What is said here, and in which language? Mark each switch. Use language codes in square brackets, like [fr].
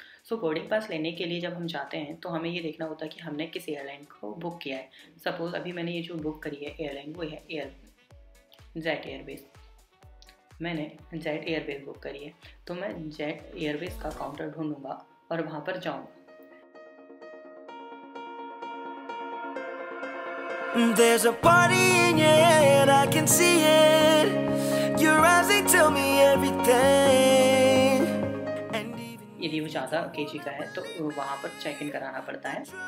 [hi] सो boarding pass लेने के लिए जब हम जाते हैं तो हमें ये देखना होता है कि हमने किस एयरलाइन को बुक किया है। सपोज़ अभी मैंने ये जो बुक करी है एयरलाइन, वो है जेट एयरवेज। मैंने जेट एयरवेज बुक करी है, तो मैं जेट एयरवेज का काउंटर ढूँढूँगा और वहाँ पर जाऊँगा। [en] There's a party in your head, I can see it. Your eyes, they tell me everything. And even [hi] यदि वो ज़्यादा केजी का है तो वहाँ पर चेक इन कराना पड़ता है।